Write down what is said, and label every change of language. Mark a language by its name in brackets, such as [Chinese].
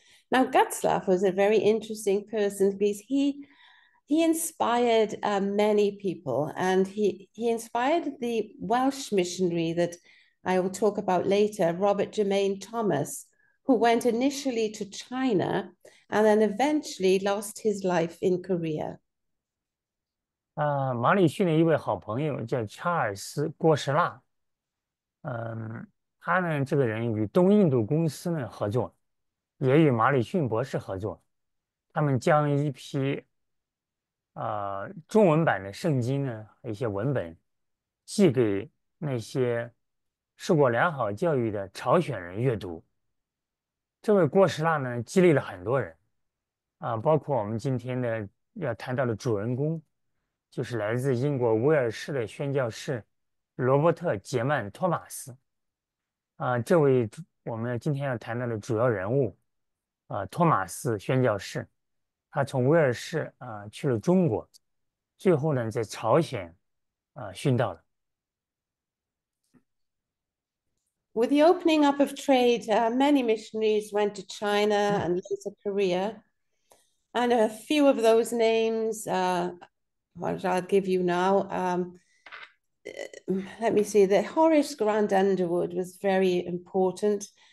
[English] Now, Gutzlaff was a very interesting person because he inspired many people, and he inspired the Welsh missionary that I will talk about later, Robert Germain Thomas, who went initially to China and then eventually lost his life in Korea. [Chinese] 马里逊的一位好朋友叫查尔斯·郭士纳，他呢这个人与东印度公司呢合作，也与马里逊博士合作，他们将一批中文版的圣经呢一些文本寄给那些受过良好教育的朝鲜人阅读。这位郭士纳呢激励了很多人，包括我们今天的要谈到的主人公，就是来自英国威尔士的宣教士罗伯特·杰曼·托马斯。这位我们今天要谈到的主要人物，托马斯宣教士，他从威尔士去了中国，最后呢在朝鲜殉道了。 [English] With the opening up of trade, many missionaries went to China and later Korea. And a few of those names, what I'll give you now, let me see, the Horace Grant Underwood was very important.